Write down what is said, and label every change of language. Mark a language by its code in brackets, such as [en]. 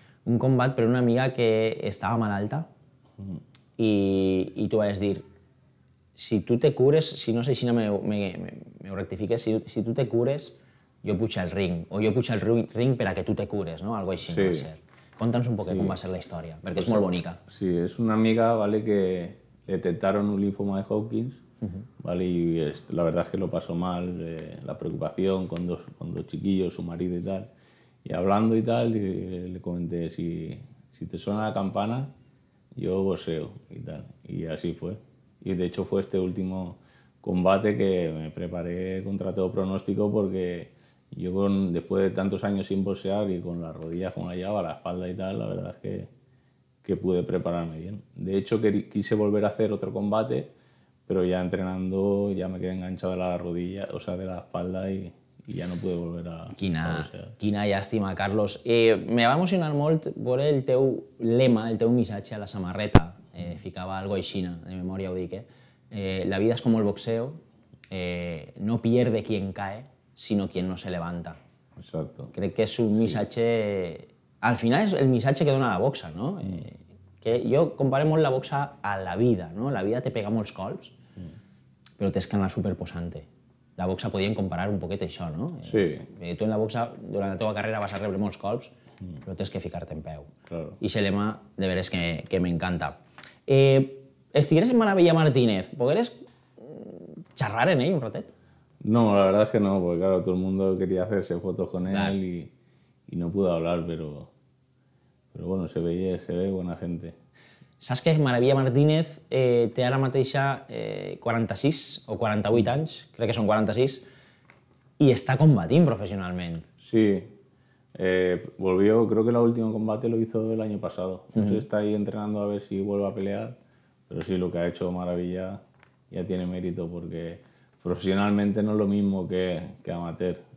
[ca] Un combat per una amiga que estava malalta. I tu vas dir, si tu te cures, si no sé, així m'ho rectifiques, si tu te cures, jo puja al ring, o jo puja al ring per a que tu te cures, no? Algo així, [es] sí. [ca] No va ser. Conta'ns un poquet, sí, com va ser la història, perquè és molt bonica. [es] Sí, és una amiga, vale, que detectaron un linfoma de Hawkins, vale, y la verdad es que lo pasó mal, la preocupación con dos chiquillos, su marido y tal. Y hablando y tal, le comenté, si te suena la campana, yo boxeo y tal. Y así fue. Y de hecho fue este último combate que me preparé contra todo pronóstico porque yo después de tantos años sin boxear y con las rodillas como la llevaba, la espalda y tal, la verdad es que pude prepararme bien. De hecho quise volver a hacer otro combate, pero ya entrenando ya me quedé enganchado de la rodilla, o sea, de la espalda y ya no pude volver a boxear. [ca] Quina llàstima, Carlos. Me va emocionar molt veure el teu lema, el teu missatge a la samarreta. Ficava algo així, de memòria ho dic, la vida és com el boxeo, no pierde qui en cae, sinó qui no se levanta. [es] Exacto. [ca] Crec que és un missatge... Sí. Al final és el missatge que dona la boxa, no? Que jo comparo molt la boxa a la vida, no? La vida te pega molts cols, però tens que anar superposant-te. La boxa podien comparar un poquet això, no? [es] Sí. [ca] Tu en la boxa, durant la teva carrera, vas a rebre molts cols, però tens que ficar-te en peu. [es] Claro. [ca] I aquest lema, de veres, que m'encanta. Estigueres en Maravilla Martínez, pogueres xerrar en ell un ratet? [es] No, la verdad es que no, porque claro, todo el mundo quería hacerse fotos con él, claro. y no pudo hablar, pero bueno, se ve buena gente. [ca] Saps que Maravilla Martínez té ara mateixa 46 o 48 anys, crec que són 46, i està combatint professionalment. [es] Sí, volvió, creo que el último combate lo hizo el año pasado. No sé, está ahí entrenando a ver si vuelve a pelear, pero sí, lo que ha hecho Maravilla ya tiene mérito, porque profesionalmente no es lo mismo que amateur.